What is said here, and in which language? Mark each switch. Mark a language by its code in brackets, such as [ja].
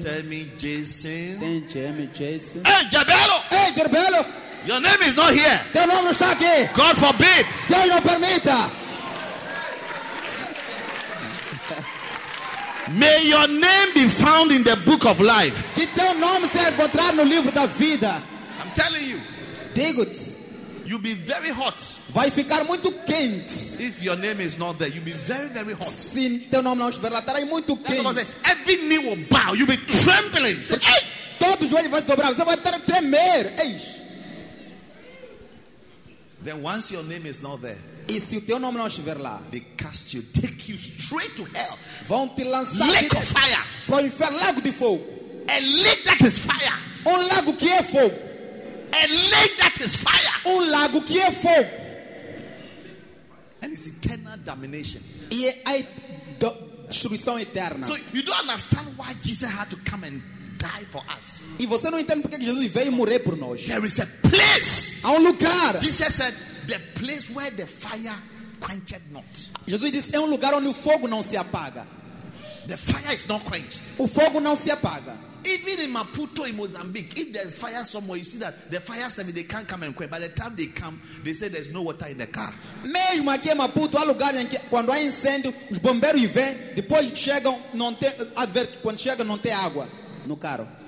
[en] Tell me Jason. Ten Jeremy Jason. Hey Jerbelo. Hey Jerbelo. Your name is not here. [pt] Teu nome não está aqui. [en] God forbid. [pt] Deus não permita. [en] May your name be found in the book of life. [pt] Que teu nome seja encontrado no livro da vida. [en] I'm telling you. [pt] Digo-te. [en] You'll be very hot. [pt] Vai ficar muito quente. [en] If your name is not there, you'll be very, very hot. [pt] Se teu nome não estiver lá, estará muito quente. [en] Says, every knee will bow. You'll be trembling. [pt] Todos os joelhos vão se dobrar. Você vai estar a tremer. Ei. [en] Then once your name is not there. [pt] E se o teu nome não estiver lá, [en] they cast you, take you straight to hell. [pt] Vão te lançar [en] lake of fire. [pt] Para o inferno, lago de fogo. [en] A lake that is fire. [pt] Um lago que é fogo. [en] A lake that is fire. [pt] Um lago que é fogo. [en] And it's eternal damnation. [pt] E é a destruição eterna. [en] So you don't understand why Jesus had to come and die for us. [pt] E você não entende porque Jesus veio morrer por nós. [en] There is a place. [pt] Há lugar. [en] Jesus said, the place where the fire quenched not. [pt] Jesus disse, é lugar onde o fogo não se apaga. [en] The fire is not quenched. [pt] O fogo não se apaga. [en] Even in Maputo, in Mozambique, if there's fire somewhere, you see that the fire service, they can't come and quench. By the time they come, they say there's no water in the car. [pt] Mesmo aqui em Maputo, há lugar em que quando há incêndio, os bombeiros vêm, depois chegam, não tem, quando chegam, não tem água no carro.